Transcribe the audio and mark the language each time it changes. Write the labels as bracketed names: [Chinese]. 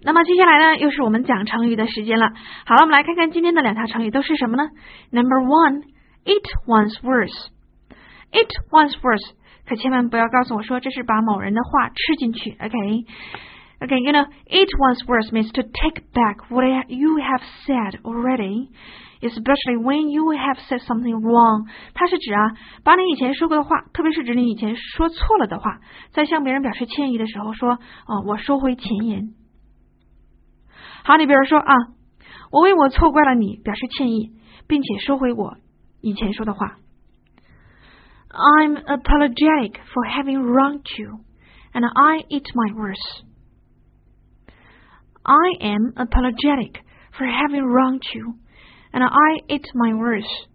[Chinese] 那么接下来呢，又是我们讲成语的时间了。好了，我们来看看今天的两条成语都是什么呢 ？ [English] Number one, eat one's words. Eat one's words. [Chinese] 可千万不要告诉我说这是把某人的话吃进去。 [English] Okay, okay. You know, eat one's words means to take back what you have said already, especially when you have said something wrong. [Chinese] 它是指啊，把你以前说过的话，特别是指你以前说错了的话，在向别人表示歉意的时候说，哦，我收回前言。好，你比如说啊，我为我错怪了你表示歉意，并且收回我以前说的话。 [English] I'm apologetic for having wronged you, and I eat my words. I am apologetic for having wronged you, and I eat my words.